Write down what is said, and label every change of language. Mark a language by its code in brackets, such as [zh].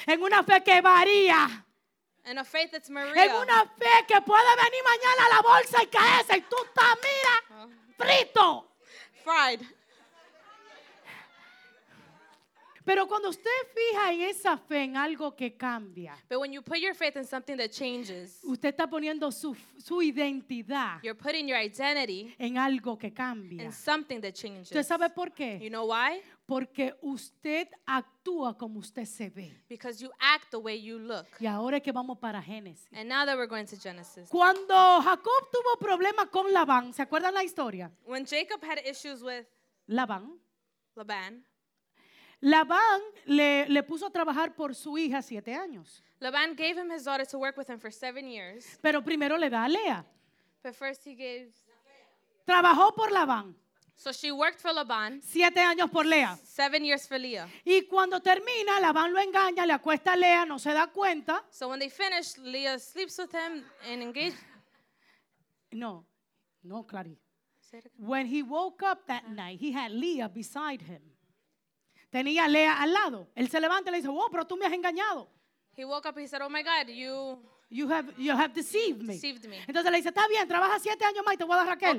[es] En una fe que varía. [en] In a faith that's Maria. [es] En una fe que puede venir mañana a la bolsa y caerse. Y tú estás, mira, frito. [en] Fried. [es] Pero cuando usted fija en esa fe en algo que cambia, [en] but when you put your faith in something that changes, [es] usted está poniendo su identidad, [en] you're putting your identity [es] en algo que cambia, [en] in something that changes. [es] ¿Usted sabe por qué? [en] You know why? [es] Porque usted actúa como usted se ve. [en] Because you act the way you look. [es] Y ahora es que vamos para Génesis. [en] And now that we're going to Genesis. [es] Cuando Jacob tuvo problemas con Labán, ¿se acuerdan la historia? [en] When Jacob had issues with [es] Labán. [en] Laban. [es] Labán le puso a trabajar por su hija 7 años. [en] Laban gave him his daughter to work with him for 7 years. [es] Pero primero le da a Lea. [en] But first he gave. [es] Trabajó por Labán. [en] So she worked for Laban. [es] 7 años por Lea. [en] 7 years for Leah. [es] Y cuando termina, Labán lo engaña, le acuesta a Lea, no se da cuenta. [en] So when they finish, Leah sleeps with him and engages. [es] No, Clary. [en] When he woke up that night, he had Leah beside him. [es] Tenía Lea al lado. Él se levanta y le dice, "Wow, pero tú me has engañado." [en] He woke up and he said, "Oh my God, you you have deceived me." Deceived me. [es] Entonces le dice, "Está bien, trabaja 7 años más y te voy a dar a Raquel."